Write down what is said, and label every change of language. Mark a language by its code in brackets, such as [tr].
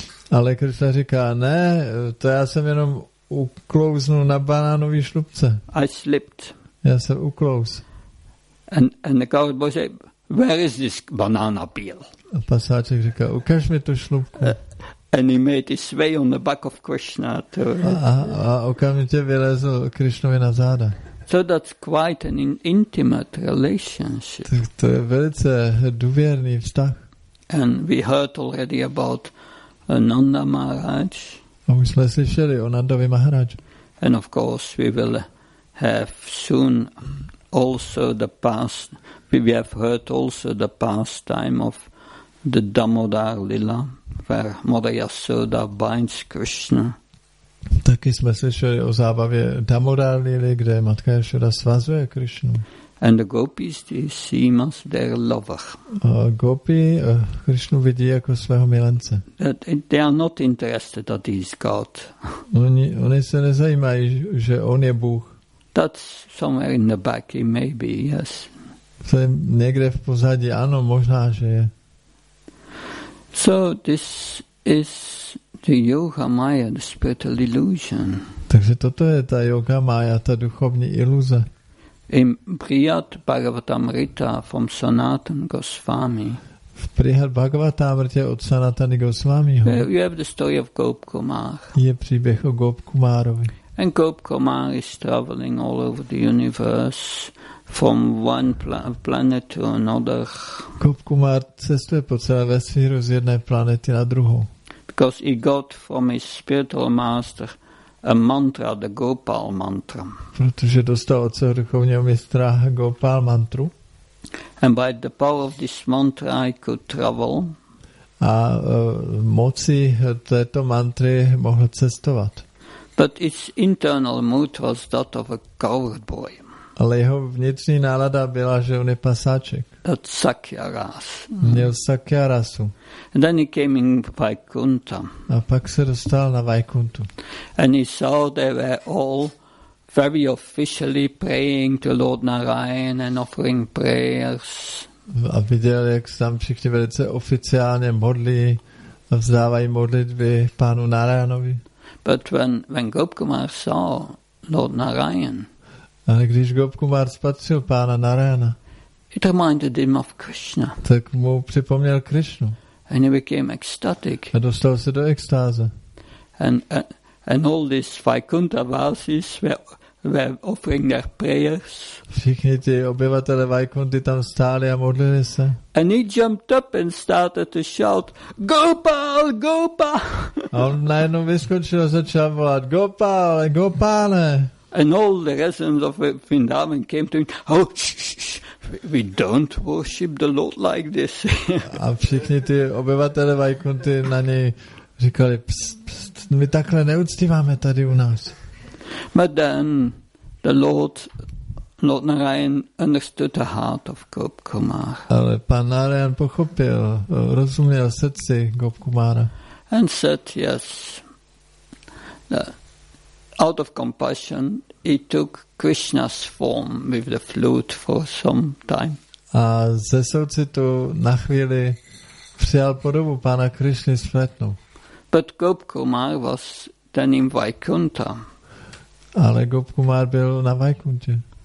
[cs] Ale Krishna říká, ne, to já jsem jenom uklouznul na banánový šlupce. [en] I slipped. [cs] Já jsem uklouz. [en] And the coward boy said, where is this banana peel? [cs] A pasáček říká, ukaž mi tu šlupku. [en] And he made his way on the back of Krishna. [cs] A okamžitě vylezl Krishnovi na záda. [en] So that's quite an intimate relationship. [cs] Tak to je velice důvěrný vztah. [en] And we heard already about Nanda Maharaj. [cs] A my jsme slyšeli o Nandovi Maharaj. [en] And of course we will have soon also the past We have heard also the pastime of the Damodar Lila, where Mother Yasoda binds Krishna. [cs] Taky jsme slyšeli o zábavě Damodar Lily, kde Matka Yasoda svazuje Krishnu. [en] And the gopis, they see him as their lover. [cs] Gopi Krishnu vidí jako svého milence. [en] They are not interested that he is God. [cs] Oni se nezajímají, že on je Bůh. [en] That's somewhere in the back, maybe, yes. [cs] To někde v pozadí, ano, možná, že je. [en] So this is the yoga maya, the spiritual illusion. [cs] Takže toto je ta yoga maya, ta duchovní iluze. [en] In Brihat Bhagavatamrita from Sanatana Goswami. [cs] V Brihat Bhagavatamrita od Sanatany Goswamiho. [en] You have the story of Gop Kumar. [cs] Je příběh o Gop Kumarovi. [en] And Gop Kumar is traveling all over the universe from one planet to another. [cs] Gop Kumar cestuje po celé vesmíru z jedné planety na druhou. [en] Because he got from his spiritual master a mantra, the Gopal mantra. [cs] Protože dostal od svého duchovního mistra Gopal mantru. [en] And by the power of this mantra I could travel. [cs] A moci této mantry mohl cestovat. [en] But its internal mood was that of a coward boy. [cs] Ale jeho vnitřní nálada byla, že on je pasáček. [en] That Sakya ras. [cs] Měl Sakya rasu. [en] And then he came in Vaikuntha. [cs] A pak se dostal na Vaikuntu. [en] And he saw they were all very officially praying to Lord Narayan and offering prayers. [cs] A viděl, jak tam všichni velice oficiálně modlí a vzdávají modlitby pánu Narayanovi. [en] But when Gop Kumar saw Lord Narayan, [cs] ale když Gop Kumar spatřil pána Narayana, [en] it reminded him of Krishna. [cs] Tak mu připomněl Krishnu. [en] And he became ecstatic. [cs] A dostal se do extáze. [en] And all these Vaikuntha vasis were offering their prayers. [cs] Všichni ti obyvatelé Vaikunty tam stáli a modlili se. [en] And he jumped up and started to shout, Gopal, Gopal! [cs] A on najednou vyskočil a začal volat, Gopal, Gopale! [en] And all the residents of Vrindavan came to him, oh, shh, we don't worship the Lord like this. [cs] A všichni ty obyvatelé Vaikunty na něj říkali, pst, my takhle neuctíváme tady u nás. [en] But then the Lord Narayan understood the heart of Gop Kumar. [cs] Ale pan Narayan pochopil, rozuměl srdci Gop Kumara. [en] And said, yes, out of compassion, he took Krishna's form with the flute for some time. [cs] A ze soucitu na chvíli přijal podobu pána Krishny s flétnou. [en] But Gop Kumar was then in Vaikuntha. [cs] Ale Gop Kumar byl na Vaikuntě.